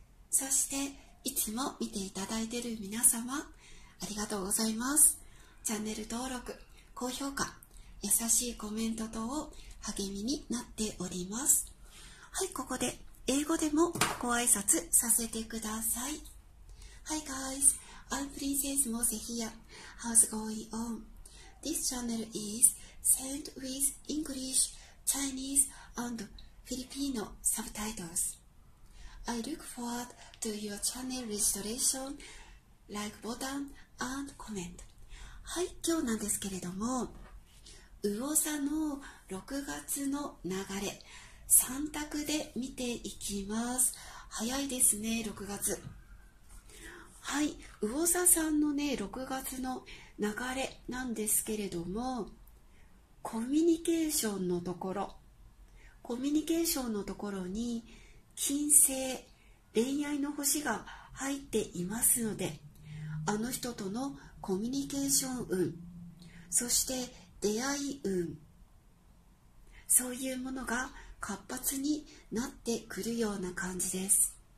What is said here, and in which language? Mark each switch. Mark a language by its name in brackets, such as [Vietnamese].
[Japanese] そしていつも見ていただいている皆様、ありがとうございます。チャンネル登録、高評価、優しいコメント等を励みになっております。はい、ここで英語でもご挨拶させてください。 [English] Hi guys, I'm Princess Mose here. How's going on? This channel is sent with English, Chinese and Filipino subtitles. I look forward to your channel registration, like button and comment. [Japanese] はい、今日なんですけれども、魚座の6月の流れ、3択で見ていきます。早いですね、6月。はい、魚座さんのね、6月の流れなんですけれども、コミュニケーションのところ、コミュニケーションのところに金星、恋愛の星が入っていますので、あの人とのコミュニケーション運、そして出会い運、そういうものが活発になってくるような感じです。